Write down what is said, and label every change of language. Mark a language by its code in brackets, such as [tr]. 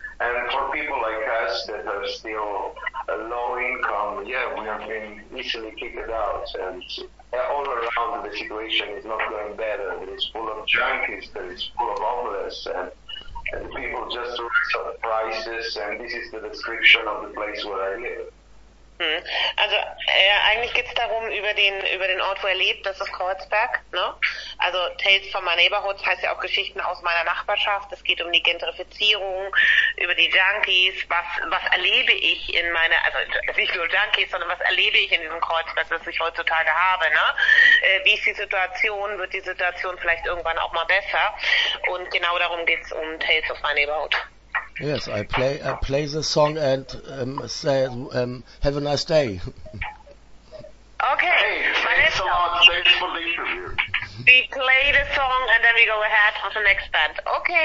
[en] And for people like us that are still a low income, we have been easily kicked out. And all around the situation is not going better. It is full of junkies, it is full of homeless, and people just rent out the prices. And this is the description of the place where I live. [de] Also eigentlich geht's darum über den Ort, wo er lebt. Das ist Kreuzberg, ne? Also Tales from My Neighborhood heißt ja auch Geschichten aus meiner Nachbarschaft. Es geht um die Gentrifizierung, über die Junkies. Was erlebe ich in meiner, also nicht nur Junkies, sondern was erlebe ich in diesem Kreuzberg, das ich heutzutage habe, ne? Wie ist die Situation? Wird die Situation vielleicht irgendwann auch mal besser? Und genau darum geht's um Tales of My Neighborhood. [en] Yes, I play the song and say have a nice day. Okay. Hey, thanks a lot. Thanks for the interview. We play the song and then we go ahead with the next band. Okay.